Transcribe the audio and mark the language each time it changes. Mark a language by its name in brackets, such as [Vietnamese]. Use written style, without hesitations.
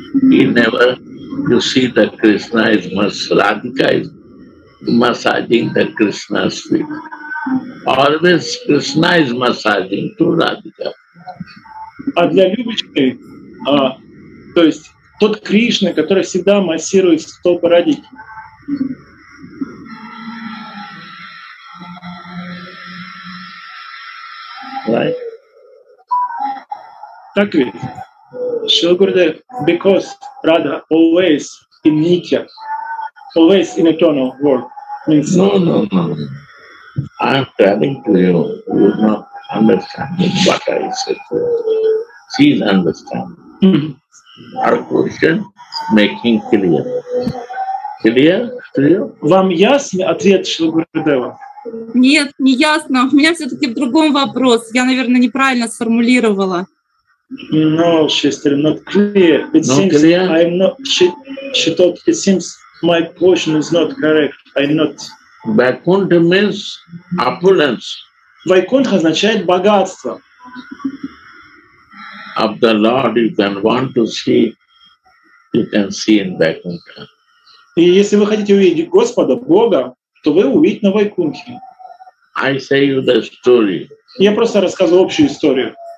[English] He never, you see that Krishna is Radhika is massaging the Krishna's feet. Always Krishna is massaging to Radhika. [Russian] А для Любочки, то есть тот Кришна, который всегда массирует стопы Радхики. [English] Right. [Russian] Так ведь. [English] Шрила Гурудев, because Radha always in Nitya, always in eternal world. Means... No. I'm telling to you, you are not understanding what I said to you. She's understanding. Mm-hmm. Our question making clear. Clear to you? [Russian] Вам ясный ответ Шрила Гурудева? Нет, не ясно. У меня все-таки в другом вопрос. Я, наверное, неправильно сформулировала. [English] No, sister, not clear. It seems clear? I'm not. She thought it seems my question is not correct. I'm not. Vaikuntha means opulence. [Russian] Vaikuntha означает богатство. [English] of the Lord, you can want to see, you can see in Vaikuntha. [Russian] И если вы хотите увидеть Господа Бога, то вы увидите на Вайкунтхе. [English] I say you the story. [Russian] Я просто рассказываю общую историю.